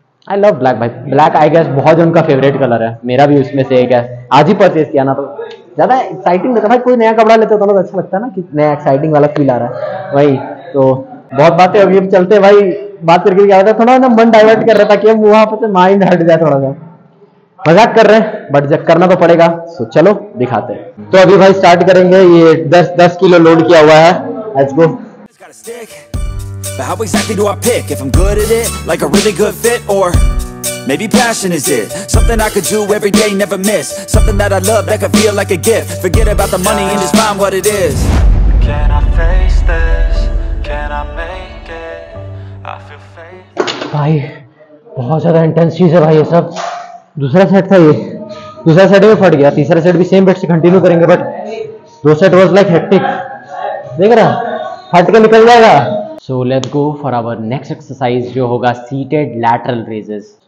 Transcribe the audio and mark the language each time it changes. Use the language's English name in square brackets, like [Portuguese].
[English] I love black [Hindi] भाई, black I guess बहुत उनका फेवरेट कलर है, मेरा भी उसमें से एक है, आज ही परचेज किया ना, तो ज्यादा एक्साइटिंग लगता भाई, कोई नया कपड़ा लेते हो तो अच्छा लगता है ना, कि नया एक्साइटिंग वाला फील आ रहा है भाई। तो बहुत बातें, अभी हम चलते हैं भाई, बात करके क्या होता है, थोड़ा ना मन डाइवर्ट कर रहा था कि हम वहां पर माइंड हट जाए, थोड़ा सा मजाक कर रहे हैं, बट जब करना तो पड़ेगा, सो चलो दिखाते हैं। तो अभी भाई स्टार्ट करेंगे, ये 10 किलो लोड किया हुआ है, [English] Let's go. But how exactly do I pick if I'm good at it, like a really good fit, or maybe passion is it? Something I could do every day, never miss. Something that I love that could feel like a gift. Forget about the money and just find what it is. Can I face this? Can I make it? I feel faith. [Hindi] भाई बहुत ज्यादा intense चीज है भाई ये सब। दूसरा set था ये, दूसरा सेट में फट गया, तीसरा सेट भी सेम बेट से कंटिन्यू करेंगे, बट दो सेट [English] was like hectic, [Hindi] देख रहा हट के निकल जाएगा। [English] so let's go for our next exercise [Hindi] जो होगा [English] Seated lateral raises.